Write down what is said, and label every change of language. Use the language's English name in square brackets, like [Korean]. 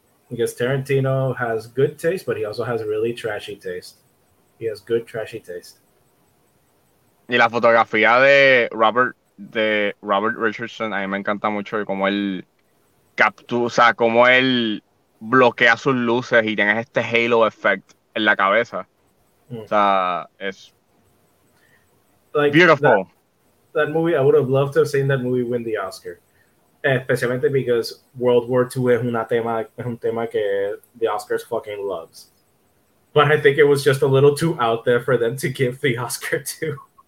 [English] Because Tarantino has good taste, but he also has really trashy taste. He has good trashy taste. [Spanish] Y la fotografía de Robert Richardson, a mí me encanta mucho cómo él captura, o sea, cómo él bloquea sus luces y tienes este halo effect en la cabeza. Mm. O sea, es [English] like beautiful. That movie, I would have loved to have seen that movie win the Oscar. [Spanish] Especialmente [English] because World War II [Spanish] es un tema que [English] the Oscars fucking loves. But I think it was just a little too out there for them to give the Oscar to.